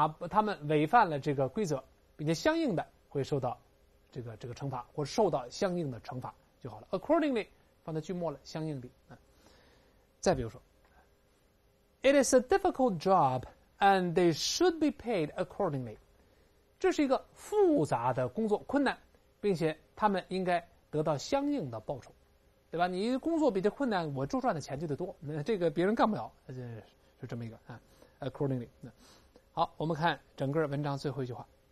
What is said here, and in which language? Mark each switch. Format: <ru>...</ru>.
<zh>他们违反了这个规则，并且相应的会受到这个惩罚，或受到相应的惩罚就好了。 Accordingly 放在句末了，相应的。再比如说</zh> <en>，It is a difficult job and they should be paid accordingly.</en> <zh>这是一个复杂的工作，困难，并且他们应该得到相应的报酬。对吧？你工作比较困难，我周赚的钱就得多。那这个别人干不了，就这么一个啊。 Accordingly， 好，我们看整个文章最后一句话。</zh>